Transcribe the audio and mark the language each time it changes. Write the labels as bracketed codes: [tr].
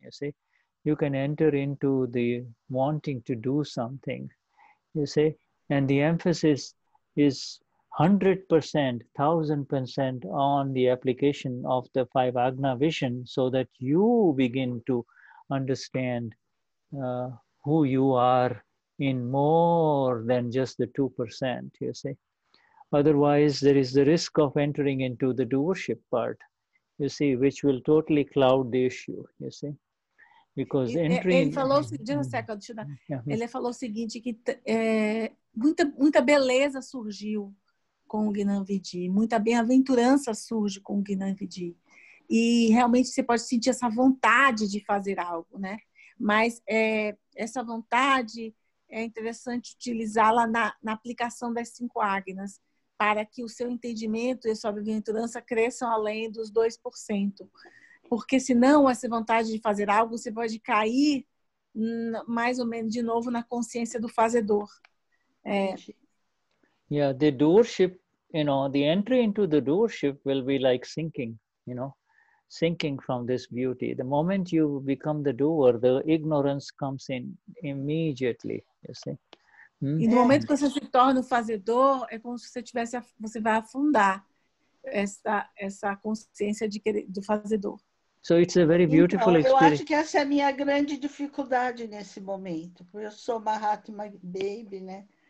[en] You see, you can enter into the wanting to do something, you see, and the emphasis is 100%, 1000% on the application of the five Agna vision, so that you begin to understand who you are in more than just the 2%, you see. Otherwise, there is the risk of entering into the doership part, you see, which will totally cloud the issue, you see. Because entry... [pt] Ele falou, [en] just a second, [pt] deixa eu dar. Yeah. Ele falou o seguinte, que muita beleza surgiu com o Gnanvidhi, muita bem-aventurança surge com o Gnanvidhi. E realmente você pode sentir essa vontade de fazer algo, né? Mas essa vontade é interessante utilizá-la na aplicação das cinco Agnas, para que o seu entendimento e a sua bem-aventurança cresçam além dos 2%. Porque senão, essa vontade de fazer algo, você pode cair mais ou menos de novo na consciência do fazedor. [en] Yeah, the doership, you know, the entry into the doership will be like sinking, you know, sinking from this beauty. The moment you become the doer, the ignorance comes in immediately, you see. [pt] E no momento que você se torna o fazedor, é como se você tivesse, você vai afundar essa consciência de querer, do fazedor. [en] So it's a very beautiful [pt] então, [en] experience. [pt] Eu acho que essa é a minha grande dificuldade nesse momento, porque eu sou Mahatma Baby, né?